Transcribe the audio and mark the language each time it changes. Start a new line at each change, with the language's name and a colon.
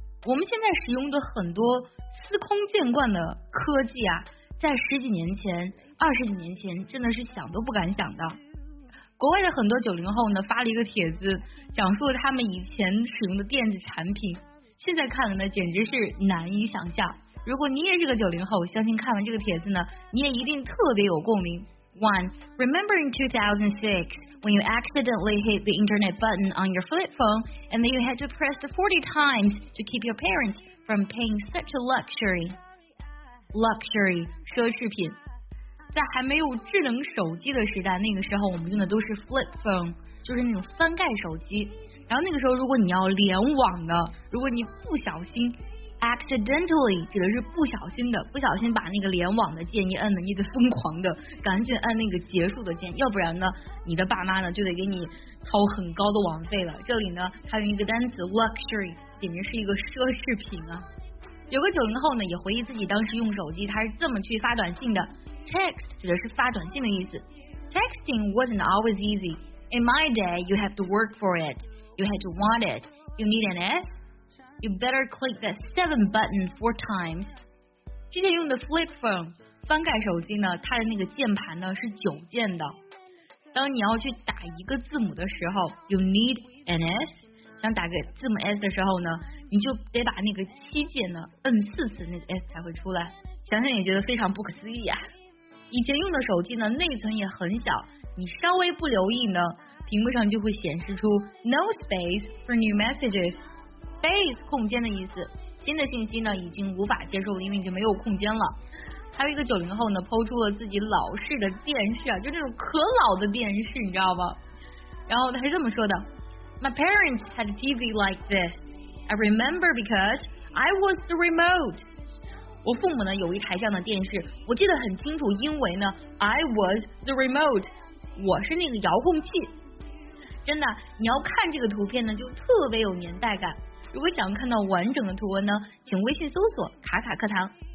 Chinese: 我们现在使用的很多司空见惯的科技啊，在十几年前、二十几年前，真的是想都不敢想的。国外的很多90后呢，发了一个帖子，讲述了他们以前使用的电子产品，现在看了呢，简直是难以想象。如果你也是个90后，相信看完这个帖子呢，你也一定特别有共鸣。
English: One, remember in 2006 when you accidentally hit the internet button on your flip phone and then you had to press the 40 times to keep your parents from paying such a luxury
Chinese: 奢侈品。在还没有智能手机的时代，那个时候我们用的都是
English: flip phone，
Chinese: 就是那种翻盖手机。然后那个时候，如果你要联网的，如果你不小心。 Accidentally 指的是不小心的，不小心把那个联网的键一摁呢，你得疯狂的赶紧按那个结束的键，要不然呢，你的爸妈呢就得给你掏很高的网费了。这里呢，它用一个单词 luxury， 简直是一个奢侈品啊。有个90后呢，也回忆自己当时用手机，他是这么去发短信的 ，text 指的是发短信的意思。
English: Texting wasn't always easy. In my day, you have to work for it. You had to want it. You need an S. You better click that 7 button 4 times.
Chinese: 之前用的
English: flip phone
Chinese: 翻盖手机呢，它的那个键盘呢是9键的。当你要去打一个字母的时候 ，
English: you need an S，
Chinese: 想打个字母 S 的时候呢，你就得把那个7键呢摁4次，那个 S 才会出来。想想也觉得非常不可思议啊。以前用的手机呢，内存也很小，你稍微不留意呢，屏幕上就会显示出
English: no space for new messages。
Chinese: Space 空间的意思，新的信息呢已经无法接受了，因为已经没有空间了。还有一个90后呢，抛出了自己老式的电视啊，就那种可老的电视，你知道吗？然后他是这么说的
English: ：My parents had a TV like this. I remember because I was the remote.
Chinese: 我父母呢有一台这样的电视，我记得很清楚，因为呢
English: I was the remote，
Chinese: 我是那个遥控器。真的，你要看这个图片呢，就特别有年代感。如果想看到完整的图文呢，请微信搜索卡卡课堂。